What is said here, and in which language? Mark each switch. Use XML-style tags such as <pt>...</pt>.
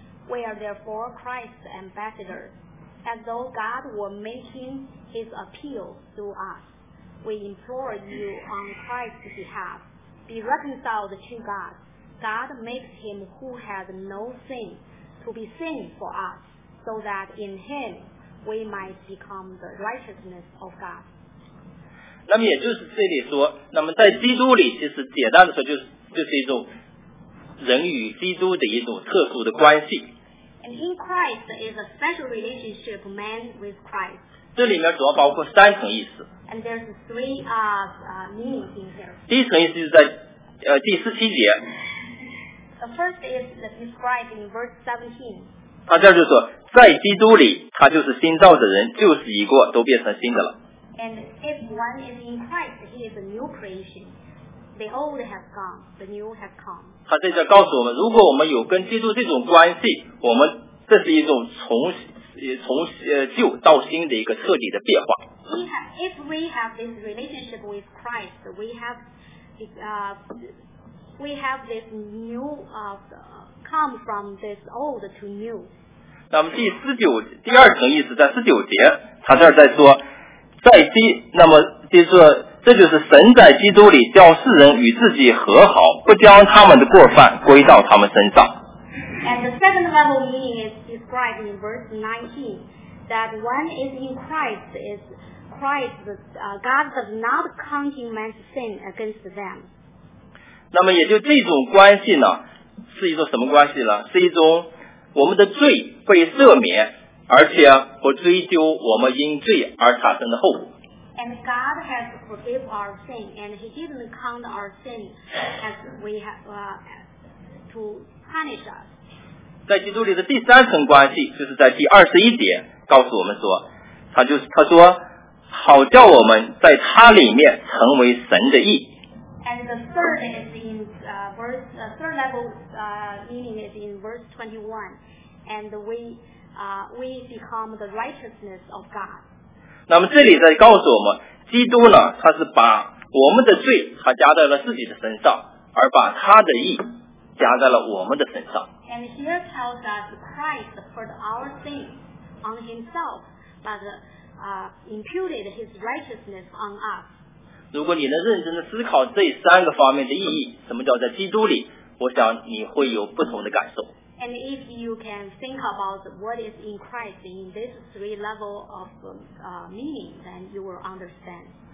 <en>We are therefore Christ's ambassadors. As though God were making his appeal through us, we implore you on Christ's behalf, be reconciled to God. God makes him who has no sin to be sin for us, so that in him we might become the righteousness of God.</en> <zh>那么也就是这里说，那么在基督里，其实简单的说，就是一种人与基督的一种特殊的关系。</zh> <en>And in Christ is a special relationship man with Christ.</en> <zh>这里面主要包括三层意思。</zh> <en>And there's three meanings in here.</en> <zh>第一层意思就是在第十七节。</zh> <en>The first is described in verse 17.</en> <zh>他这就说，在基督里，他就是新造的人，旧事已过，都变成新的了。</zh> <en>And if one is in Christ, he is a new creation. The old has gone, the new has come.</en> <zh>他在这告诉我们，如果我们有跟基督这种关系，我们这是一种从旧到新的一个彻底的变化。</zh> <en>If we have this relationship with Christ, we have this new come from this old to new.</en> <zh>那么第二层意思在十九节，他这儿在说，在基那么就是。这就是神在基督里叫世人与自己和好，不将他们的过犯归到他们身上。</zh> <en>And the second level meaning is described in verse 19, that one is in Christ, is Christ, God does not counting man's sin against them.</en> <zh>那么也就这种关系呢，是一种什么关系呢？是一种我们的罪被赦免，而且不追究我们因罪而产生的后果。</zh> <en>And God has forgive our sin, and He didn't count our sin as we have to punish us.</en> <zh>在基督里的第三层关系，就是在第二十一节告诉我们说，他说，好叫我们在他里面成为神的义。</zh> <en>And the third is in verse third level meaning is in verse 21, and we become the righteousness of God.</en> <zh>那么这里在告诉我们，基督呢，他是把我们的罪他加在了自己的身上，而把他的义加在了我们的身上。</zh> <en>And here tells us Christ put our sin on himself, but imputed his righteousness on us.</en> <zh>如果你能认真的思考这三个方面的意义，什么叫在基督里，我想你会有不同的感受。</zh> <en>And if you can think about what is in Christ in this three level of meaning, then you will understand.</en>